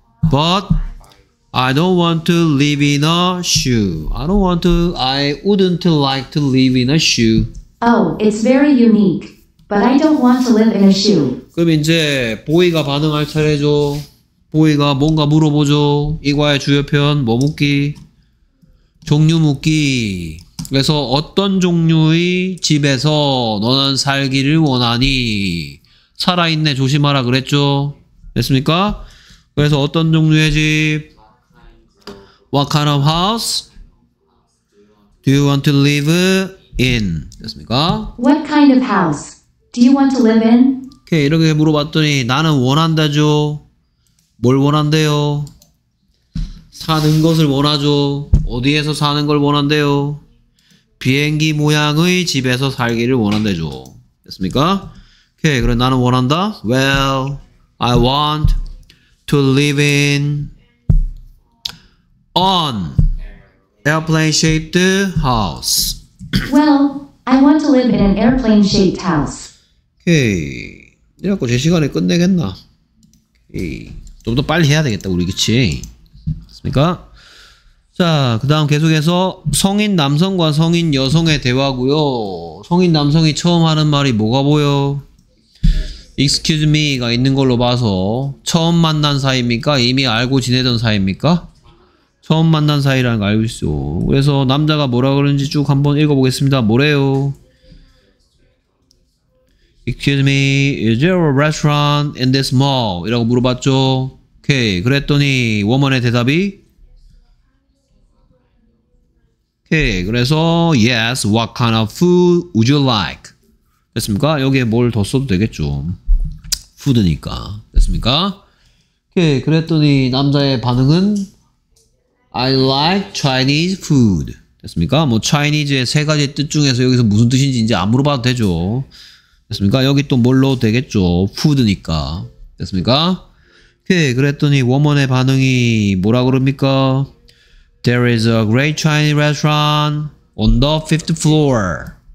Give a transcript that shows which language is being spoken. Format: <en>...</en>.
<en>But I don't want to live in a shoe. I don't want to. I wouldn't like to live in a shoe. Oh, it's very unique. But I don't want to live in a shoe.</en> <ko>그럼 이제 보이가 반응할 차례죠. 보이가 뭔가 물어보죠. 이과의 주요 표현 뭐 묻기? 종류 묻기. 그래서 어떤 종류의 집에서 너는 살기를 원하니? 살아있네 조심하라 그랬죠. 됐습니까? 그래서 어떤 종류의 집?</ko> <en>What kind of house do you want to live in?</en> <ko>됐습니까?</ko> <en>What kind of house do you want to live in?</en> <ko>오케이, 이렇게 물어봤더니 나는 원한다죠. 뭘 원한대요? 사는 것을 원하죠. 어디에서 사는 걸 원한대요? 비행기 모양의 집에서 살기를 원한대죠. 됐습니까? 오케이, 그럼 나는 원한다?</ko> <en>Well, I want to live in on airplane shaped house. Well, I want to live in an airplane shaped house.</en> <ko>오케이. 이래갖고 제 시간에 끝내겠나? 오케이. 좀 더 빨리 해야 되겠다, 우리 그치? 됐습니까? 자, 그 다음 계속해서 성인 남성과 성인 여성의 대화고요. 성인 남성이 처음 하는 말이 뭐가 보여?</ko> <en>Excuse me</en> <ko>가 있는 걸로 봐서 처음 만난 사이입니까? 이미 알고 지내던 사이입니까? 처음 만난 사이라는 거 알고 있어. 그래서 남자가 뭐라 그러는지 쭉 한번 읽어보겠습니다. 뭐래요?</ko> <en>Excuse me, is there a restaurant in this mall?</en> <ko>이라고 물어봤죠. 오케이. 그랬더니 워먼의 대답이? 오케이. 그래서</ko> <en>Yes, what kind of food would you like?</en> <ko>됐습니까? 여기에 뭘 더 써도 되겠죠. 푸드니까. 됐습니까? 오케이. 그랬더니 남자의 반응은?</ko> <en>I like Chinese food.</en> <ko>됐습니까? 뭐 Chinese의 세 가지 뜻 중에서 여기서 무슨 뜻인지 이제 안 물어봐도 되죠. 됐습니까? 여기 또 뭘로 되겠죠? 푸드니까. 됐습니까? 오케이. 그랬더니 워먼의 반응이 뭐라 그럽니까?</ko> <en>There is a great Chinese restaurant on the fifth floor.</en>